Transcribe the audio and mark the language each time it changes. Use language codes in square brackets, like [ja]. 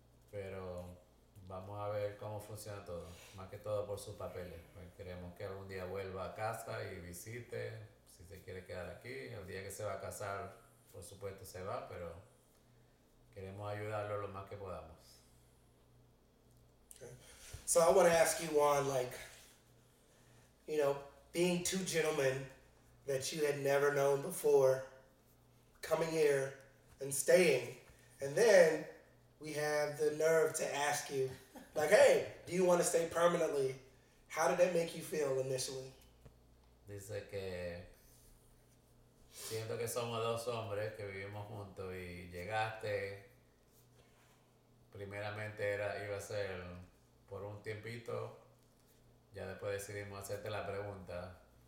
[es] Pero vamos a ver cómo funciona todo, más que todo por sus papeles. Pues queremos que algún día vuelva a casa y visite, si se quiere quedar aquí. El día que se va a casar, por supuesto se va, pero queremos ayudarlo lo más que podamos. [en] Okay. So I want to ask you, Juan, like, you know, being two gentlemen that you had never known before, coming here and staying. And then we have the nerve to ask you, like, hey, do you want to stay permanently? How did that make you feel initially? [es] Dice que siento que somos dos hombres que vivimos juntos y llegaste, primeramente iba a ser por un tiempito, ya después decidimos hacerte la pregunta.